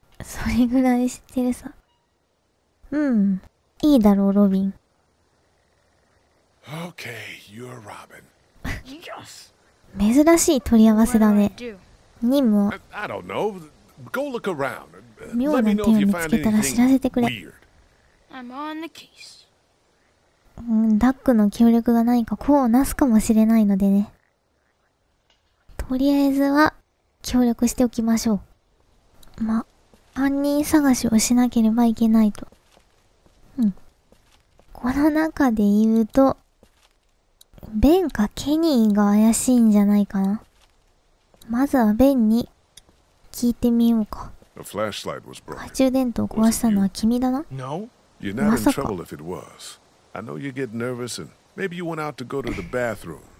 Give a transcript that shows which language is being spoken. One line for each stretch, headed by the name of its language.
Japanese: それぐらい知ってるさ。いいだろう、ロビン。
English: Okay, you're Robin. Yes.
Japanese: 珍しい取り合わせだね。任務は。
English: I don't know. Go look around. Let me know if you find anything weird. I'm on the case.
Japanese: ダックの協力が何か功を成すかもしれないのでね。とりあえずは協力しておきましょう。ま、犯人探しをしなければいけないと。この中で言うと、ベンかケニーが怪しいんじゃないかな。まずはベンに聞いてみようか。懐中電灯を壊したのは君だな。
English: You're not in trouble if it was. I know you get nervous and maybe you went out to go to the bathroom.